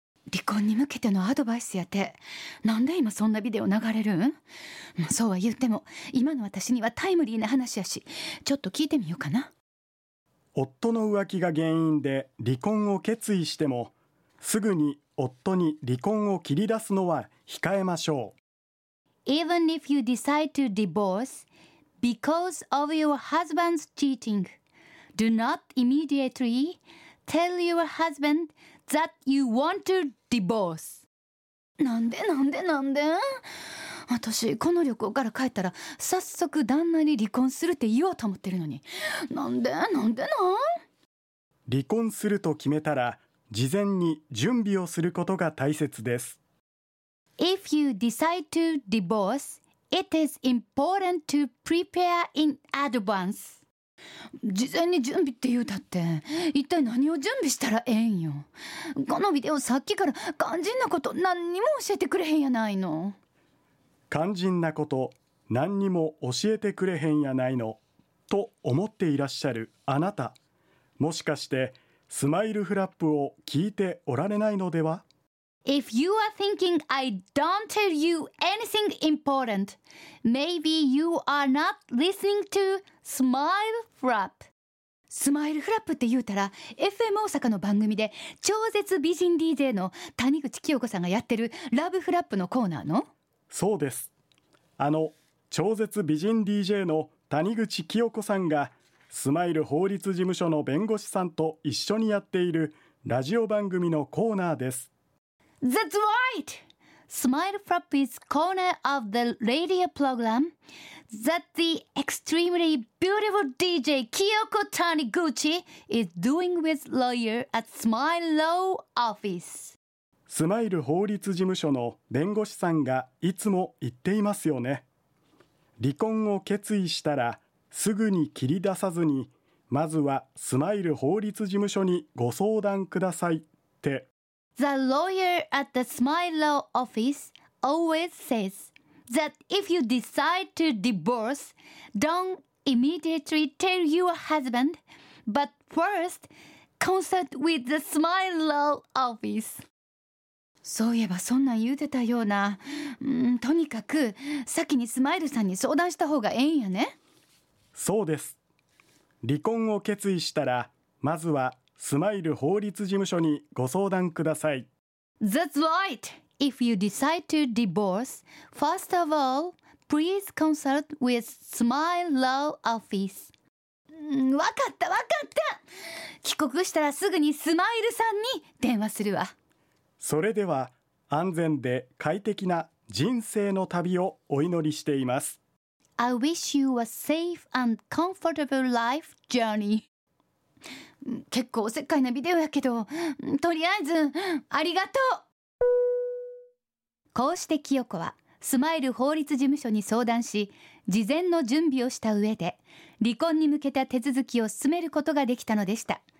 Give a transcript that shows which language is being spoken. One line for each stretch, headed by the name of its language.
Japanese: 離婚に向けてのアドバイスやって、なんで今そんなビデオ流れるん？まあ、そうは言っても今の私にはタイムリーな話やし、ちょっと聞いてみようかな。夫の浮気が原因で離婚を決意しても、すぐに夫に離婚を切り出すのは控えましょう。
English: Even if you decide to divorce because of your husband's cheating, do not immediately tell your husband that you want to divorce。
Japanese: なんでなんでなんで、私この旅行から帰ったら早速旦那に離婚するって言おうと思ってるのに、なんでなんでな。離婚すると決めたら事前に準備をすることが大切です。
English: If you decide to divorce, it is important to prepare in advance。
Japanese: 事前に準備って言うたって、一体何を準備したらええんよ。このビデオさっきから肝心なこと何にも教えてくれへんやないの。肝心なこと何にも教えてくれへんやないのと思っていらっしゃるあなた、もしかしてスマイルフラップを聞いておられないのでは。
English: If you are thinking I don't tell you anything important, maybe you are not listening toスマイルフラップ。
Japanese: スマイルフラップって言うたら、FM 大阪の番組で超絶美人 DJ の谷口清子さんがやってるラブフラップのコーナーの？そうです。あの超絶美人 DJ の谷口清子さんがスマイル法律事務所の弁護士さんと一緒にやっているラジオ番組のコーナーです。
English: That's right! Smile Flap is corner of the radio program that the extremely beautiful DJ Kyoko Taniguchi is doing with lawyer at Smile Law Office。
Japanese: スマイル法律事務所の弁護士さんがいつも言っていますよね。離婚を決意したらすぐに切り出さずに、まずはスマイル法律事務所にご相談くださいって。
English: The lawyer at the Smile Law Office always says that if you decide to divorce, don't immediately tell your husband, but first consult with the Smile Law Office.
Japanese: そういえばそんなん言うてたような。とにかく先にスマイルさんに相談した方がええんやね。そうです。離婚を決意したら、まずはスマイル法律事務所にご相談ください。
English: That's right! If you decide to divorce, first of all, please consult with Smile Law Office.
Japanese: わかったわかった！帰国したらすぐにスマイルさんに電話するわ。それでは安全で快適な人生の旅をお祈りしています。
English: I wish you a safe and comfortable life journey.
Japanese: 結構おせっかいなビデオやけど、とりあえずありがとう。こうして清子はスマイル法律事務所に相談し、事前の準備をした上で離婚に向けた手続きを進めることができたのでした。